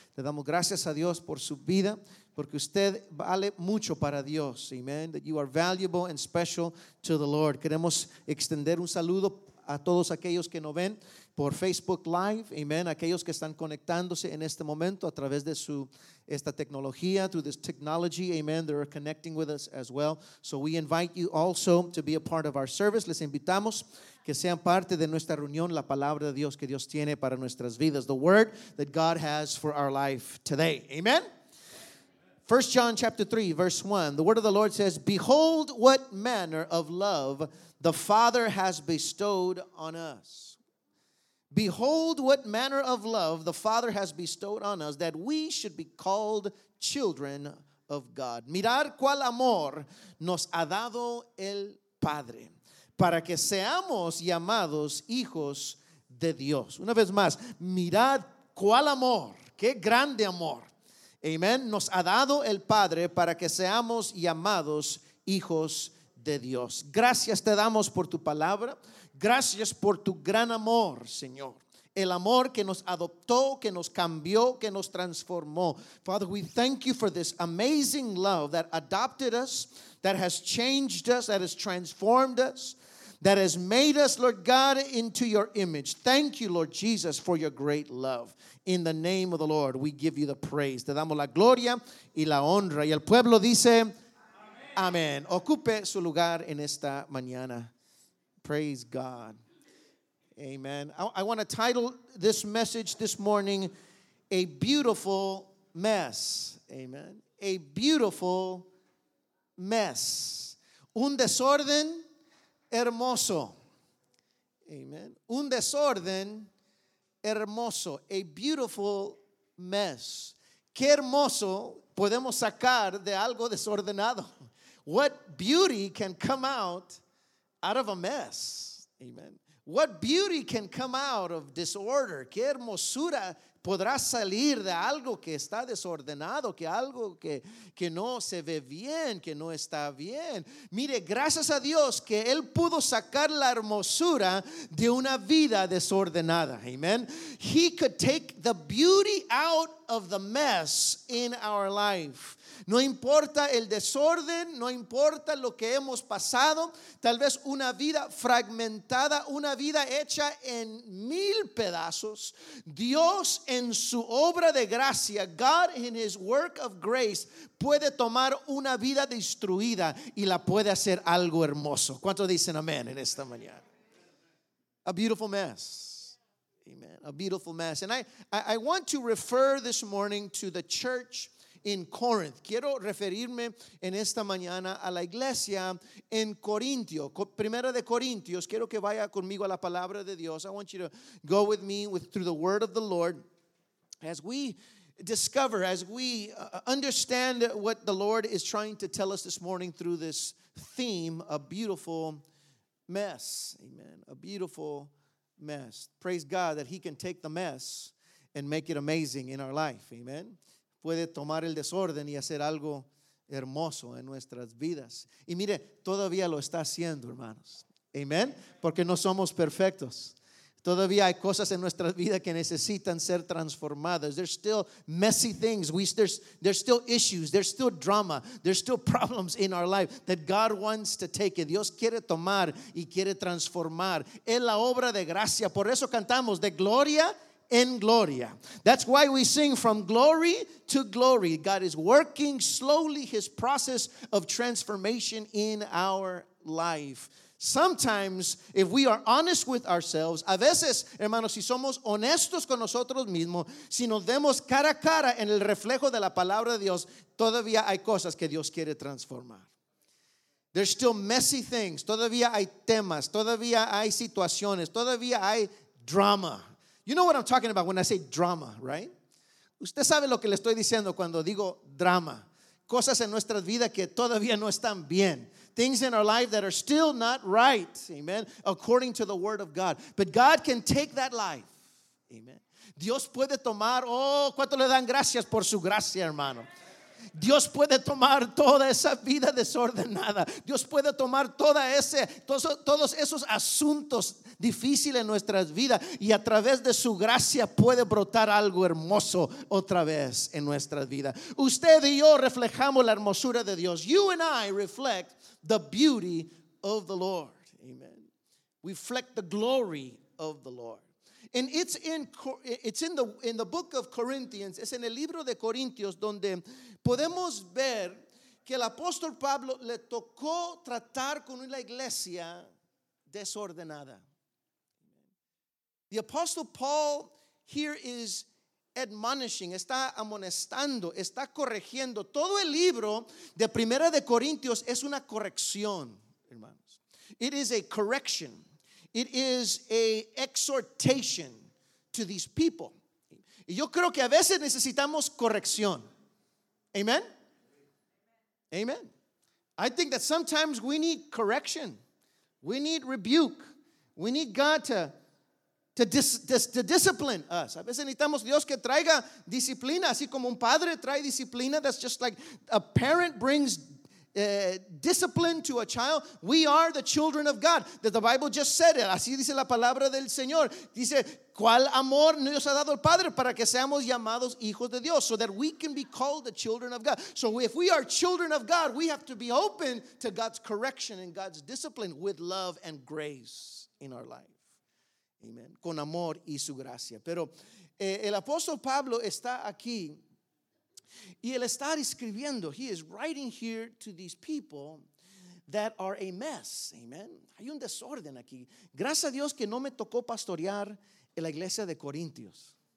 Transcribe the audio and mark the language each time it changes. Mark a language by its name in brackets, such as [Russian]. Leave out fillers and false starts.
[Spanish] Le damos gracias a Dios por su vida, porque usted vale mucho para Dios. Amen. [English] That you are valuable and special to the Lord. [Spanish] Queremos extender un saludo a todos aquellos que nos ven por Facebook Live. Amen. Aquellos que están conectándose en este momento a través de esta tecnología, [English] through this technology. [Spanish] Amen. [English] They are connecting with us as well. So we invite you also to be a part of our service. [Spanish] Les invitamos que sean parte de nuestra reunión, la palabra de Dios que Dios tiene para nuestras vidas, [English] the word that God has for our life today. [Spanish] Amen. [English] 1 John chapter 3, verse 1, the word of the Lord says, "Behold what manner of love the Father has bestowed on us. Behold what manner of love the Father has bestowed on us, that we should be called children of God. [Spanish] Mirar cuál amor nos ha dado el Padre, para que seamos llamados hijos de Dios." Una vez más, mirad cuál amor, qué grande amor. Amen. Nos ha dado el Padre para que seamos llamados hijos de Dios. Gracias te damos por tu palabra. Gracias por tu gran amor, Señor. El amor que nos adoptó, que nos cambió, que nos transformó. [English] Father, we thank you for this amazing love that adopted us, that has changed us, that has transformed us, that has made us, Lord God, into your image. Thank you, Lord Jesus, for your great love. In the name of the Lord, we give you the praise. [Spanish] Te damos la gloria y la honra. Y el pueblo dice, amén. Ocupe su lugar en esta mañana. [English] Praise God. Amen. I want to title this message this morning, "A Beautiful Mess." Amen. A beautiful mess. [Spanish] Un desorden hermoso. Amen. Un desorden hermoso. [English] A beautiful mess. [Spanish] Qué hermoso podemos sacar de algo desordenado. [English] What beauty can come out of a mess? Amen. What beauty can come out of disorder? [Spanish] Qué hermosura podrá salir de algo que está desordenado, que algo que no se ve bien, que no está bien. Mire, gracias a Dios que Él pudo sacar la hermosura de una vida desordenada. Amen. [English] He could take the beauty out of the mess in our life. [Spanish] No importa el desorden, no importa lo que hemos pasado, tal vez una vida fragmentada, una vida hecha en mil pedazos. Dios en su obra de gracia, [English] God in his work of grace, [Spanish] puede tomar una vida destruida y la puede hacer algo hermoso. ¿Cuántos dicen amén en esta mañana? [English] A beautiful mess. Amen. A beautiful mess. And I want to refer this morning to the church in Corinth. [Spanish] Quiero referirme en esta mañana a la iglesia en Corintio. Primera de Corintios. Quiero que vaya conmigo a la palabra de Dios. [English] I want you to go with me through the word of the Lord. As we discover, as we understand what the Lord is trying to tell us this morning through this theme, a beautiful mess. Amen. A beautiful mess. Praise God that He can take the mess and make it amazing in our life. Amen. [Spanish] Puede tomar el desorden y hacer algo hermoso en nuestras vidas. Y mire, todavía lo está haciendo, hermanos. Amen. Porque no somos perfectos. Todavía hay cosas en nuestra vida que necesitan ser transformadas. [English] There's still messy things. There's still issues. There's still drama. There's still problems in our life that God wants to take. [Spanish] Y Dios quiere tomar y quiere transformar. Es la obra de gracia. Por eso cantamos de gloria en gloria. [English] That's why we sing from glory to glory. God is working slowly his process of transformation in our life. Sometimes, if we are honest with ourselves, [Spanish] a veces, hermanos, si somos honestos con nosotros mismos, si nos vemos cara a cara en el reflejo de la palabra de Dios, todavía hay cosas que Dios quiere transformar. [English] There's still messy things. [Spanish] Todavía hay temas. Todavía hay situaciones. Todavía hay drama. [English] You know what I'm talking about when I say drama, right? [Spanish] Usted sabe lo que le estoy diciendo cuando digo drama. Cosas en nuestra vida que todavía no están bien. [English] Things in our life that are still not right, amen, according to the word of God. But God can take that life, [Spanish] amen. Dios puede tomar, oh, ¿cuánto le dan gracias por su gracia, hermano? Dios puede tomar toda esa vida desordenada. Dios puede tomar todos esos asuntos difíciles en nuestras vidas, y a través de su gracia puede brotar algo hermoso otra vez en nuestras vidas. Usted y yo reflejamos la hermosura de Dios. [English] You and I reflect the beauty of the Lord. Amen. We reflect the glory of the Lord. And it's in the book of Corinthians. [Spanish] Es en el libro de Corintios donde podemos ver que el apóstol Pablo le tocó tratar con una iglesia desordenada. [English] The apostle Paul here is admonishing, [Spanish] está amonestando, está corrigiendo. Todo el libro de Primera de Corintios es una corrección, hermanos. [English] It is a correction. It is a exhortation to these people. [Spanish] Y yo creo que a veces necesitamos corrección. Amen. Amen. [English] I think that sometimes we need correction. We need rebuke. We need God to discipline us. [Spanish] A veces necesitamos Dios que traiga disciplina, así como un padre trae disciplina. [English] That's just like a parent brings discipline to a child. We are the children of God. The Bible just said it. [Spanish] Así dice la palabra del Señor. Dice, ¿cuál amor nos ha dado el Padre para que seamos llamados hijos de Dios? [English] So that we can be called the children of God. So if we are children of God, we have to be open to God's correction and God's discipline with love and grace in our life. [Spanish] Amen. Con amor y su gracia. Pero el apóstol Pablo está aquí. Y él está escribiendo, [English] he is writing here to these people that are a mess, [Spanish] amen. Hay un desorden aquí. Gracias a Dios que no me tocó pastorear en la iglesia de Corintios.